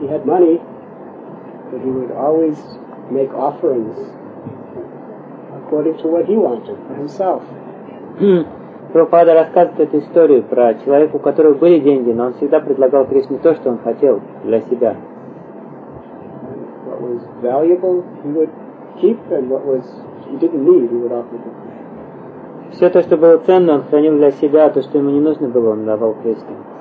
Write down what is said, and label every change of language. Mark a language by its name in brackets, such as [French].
[English] he had money, but he would always make offerings according to what he wanted for himself. [Russian] Прабхупада рассказывает историю про человека, у которого были деньги, но он всегда предлагал Кришне то, что он хотел для себя. [English] What was valuable, he would keep, and what was he didn't need, he would offer to. [Russian] Все то, что было ценно, он хранил для себя, то, что ему не нужно было, он давал Кришне.